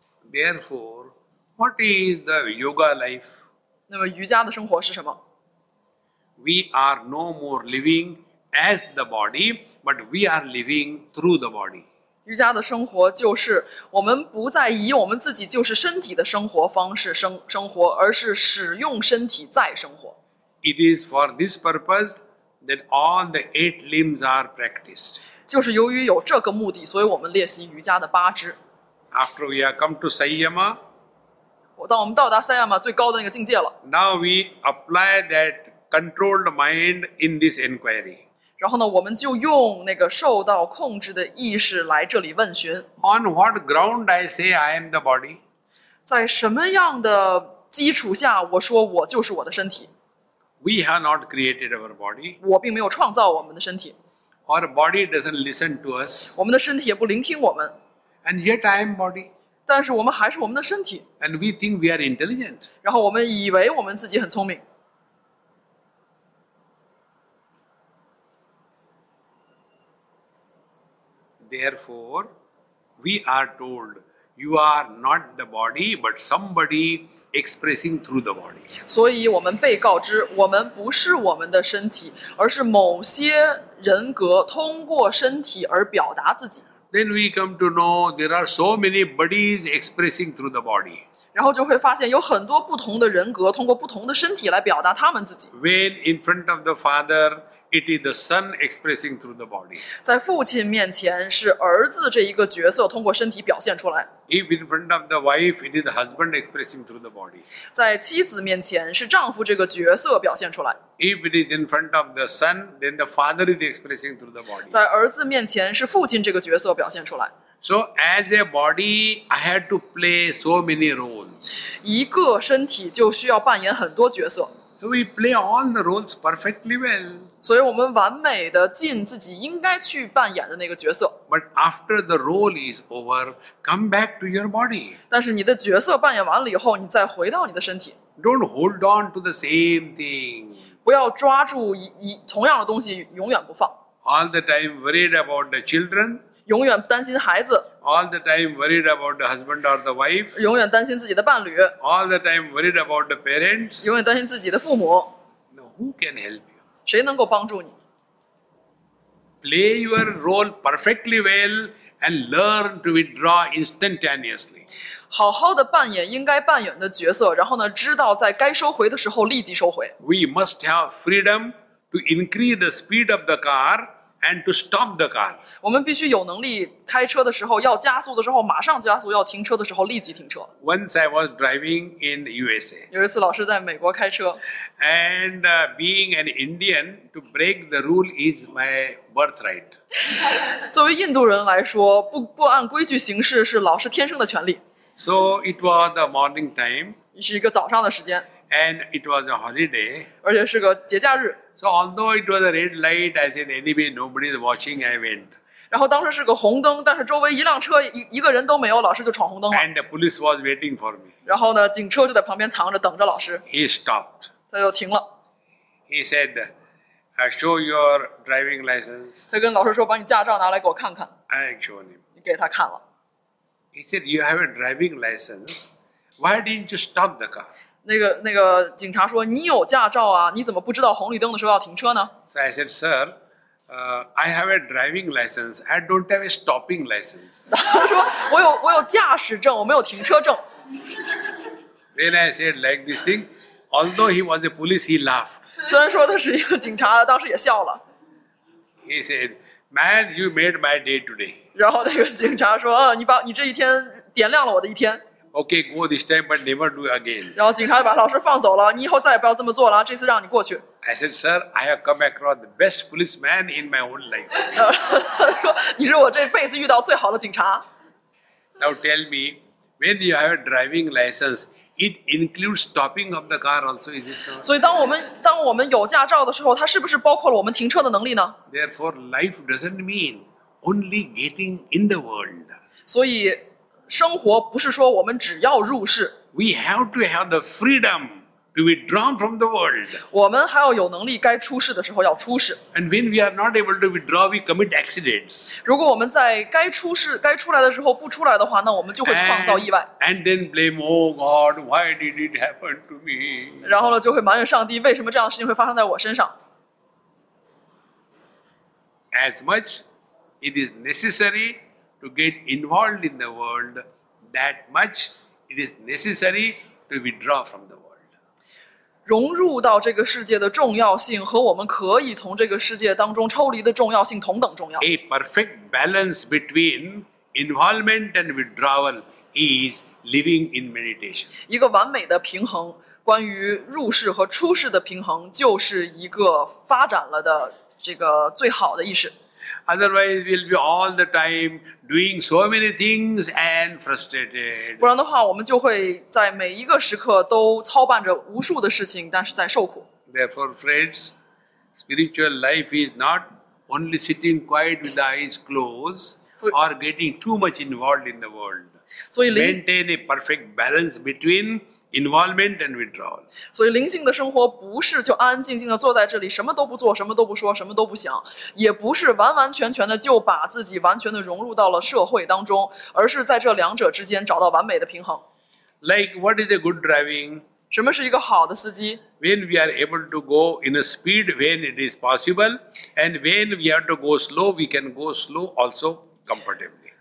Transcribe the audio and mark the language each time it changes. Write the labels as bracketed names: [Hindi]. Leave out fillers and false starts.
[English] Therefore, what is the yoga life? [Chinese] 那么瑜伽的生活是什么？ [English] We are no more living. As the body, but we are living through the body. [Chinese] 瑜伽的生活就是我们不再以我们自己就是身体的生活方式生活，而是使用身体再生活。 [English] It is for this purpose that all the eight limbs are practiced. [Chinese] 就是由于有这个目的，所以我们练习瑜伽的八支。 [English] After we have come to Samyama, [Chinese] 当我们到达 Samyama 最高的那个境界了。 [English] Now we apply that. Controlled mind in this inquiry. [Chinese] 然后呢，我们就用那个受到控制的意识来这里问询。 [English] On what ground I say I am the body? [Chinese] 在什么样的基础下我说我就是我的身体？ [English] We have not created our body. [Chinese] 我并没有创造我们的身体。 [English] Our body doesn't listen to us. [Chinese] 我们的身体也不聆听我们。 [English] And yet I am body. [Chinese] 但是我们还是我们的身体。 [English] And we think we are intelligent. [Chinese] 然后我们以为我们自己很聪明。 [English] Therefore, we are told you are not the body, but somebody expressing through the body. [Chinese] 所以我们被告知，我们不是我们的身体，而是某些人格通过身体而表达自己。 [English] Then we come to know there are so many bodies expressing through the body. [Chinese] 然后就会发现有很多不同的人格通过不同的身体来表达他们自己。 [English] When in front of the Father, it is the son expressing through the body. [Chinese] 在父亲面前是儿子这一个角色通过身体表现出来。 [English] If in front of the wife, it is the husband expressing through the body. [Chinese] 在妻子面前是丈夫这个角色表现出来。 [English] If it is in front of the son, then the father is expressing through the body. [Chinese] 在儿子面前是父亲这个角色表现出来。 [English] So as a body, I had to play so many roles. [Chinese] 一个身体就需要扮演很多角色。 [English] So we play all the roles perfectly well. [Chinese] 所以我们完美地尽自己应该去扮演的那个角色。 [English] But after the role is over, come back to your body. [Chinese] 但是你的角色扮演完了以后，你再回到你的身体。 [English] Don't hold on to the same thing. [Chinese] 不要抓住同样的东西永远不放。 [English] All the time worried about the children. [Chinese] 永远担心孩子。 [English] All the time worried about the husband or the wife. [Chinese] 永远担心自己的伴侣。 [English] All the time worried about the parents. [Chinese] 永远担心自己的父母。 [English] Now, who can help you? [Chinese] 谁能够帮助你？ [English] Play your role perfectly well and learn to withdraw instantaneously. [Chinese] 好好的扮演应该扮演的角色，然后呢，知道在该收回的时候立即收回。 [English] We must have freedom to increase the speed of the car. And to stop the car. [Chinese] 我们必须有能力开车的时候要加速的时候马上加速，要停车的时候立即停车。 [English] Once I was driving in USA. [Chinese] 有一次老师在美国开车。 [English] And being an Indian, to break the rule is my birthright. [Chinese] 作为印度人来说，不按规矩行事是老师天生的权利。 [English] So it was the morning time. [Chinese] 是一个早上的时间。 [English] And it was a holiday. [Chinese] 而且是个节假日。 [English] So although it was a red light, I said anyway, nobody is watching, I went. [Chinese] 然后当时是个红灯，但是周围一辆车一个人都没有，老师就闯红灯了。 [English] And the police was waiting for me. [Chinese] 然后呢，警车就在旁边藏着等着老师。 [English] He stopped. [Chinese] 他就停了。 [English] He said, I show your driving license. [Chinese] 他跟老师说，把你驾照拿来给我看看。 [English] I showed him. [Chinese] 你给他看了。 [English] He said, you have a driving license. Why didn't you stop the car? [Chinese] 那个警察说你有驾照啊，你怎么不知道红绿灯的时候要停车呢？ [English] So I said, sir, I have a driving license. I don't have a stopping license. [Chinese] 他说我有驾驶证，我没有停车证。 [English] Then I said like this thing, although he was a police, he laughed. [Chinese] 虽然说他是一个警察，当时也笑了。 [English] He said, man, you made my day today. [Chinese] 然后那个警察说，你这一天点亮了我的一天。 [English] Okay, go this time, but never do again. [Chinese] 然后警察把老师放走了，你以后再也不要这么做了，这次让你过去。 [English] I said, sir, I have come across the best policeman in my own life. [Chinese] 你是我这辈子遇到最好的警察。 [English] Now tell me, when you have a driving license, it includes stopping of the car also, is it not? [Chinese] 所以当我们有驾照的时候，它是不是包括了我们停车的能力呢？ [English] Therefore, life doesn't mean only getting in the world. [Chinese] 所以生活不是说我们只要入世。 [English] We have to have the freedom to withdraw from the world. [Chinese] 我们还要有能力该出世的时候要出世。 [English] And when we are not able to withdraw, we commit accidents. [Chinese] 如果我们在该出来的时候不出来的话，那我们就会创造意外。 [English] And then blame, oh God, why did it happen to me? [Chinese] 然后呢，就会埋怨上帝，为什么这样的事情会发生在我身上。 [English] As much it is necessary,To get involved in the world, that much it is necessary to withdraw from the world. [Chinese] 融入到这个世界的重要性和我们可以从这个世界当中抽离的重要性同等重要。 [English] A perfect balance between involvement and withdrawal is living in meditation. [Chinese] 一个完美的平衡，关于入世和出世的平衡，就是一个发展了的这个最好的意识。 [English] Otherwise, we'll be all the time doing so many things and frustrated. [Chinese] 不然的话，我们就会在每一个时刻都操办着无数的事情，但是在受苦。 [English] Therefore, friends, spiritual life is not only sitting quiet with the eyes closed or getting too much involved in the world. Maintain a perfect balance between involvement and withdrawal. [Chinese] 所以灵性的生活不是就安安静静的坐在这里，什么都不做，什么都不说，什么都不想，也不是完完全全的就把自己完全的融入到了社会当中，而是在这两者之间找到完美的平衡。 [English] Like what is a good driving? [Chinese] 什么是一个好的司机？ [English] When we are able to go in a speed when it is possible, and when we have to go slow, we can go slow also comfortably.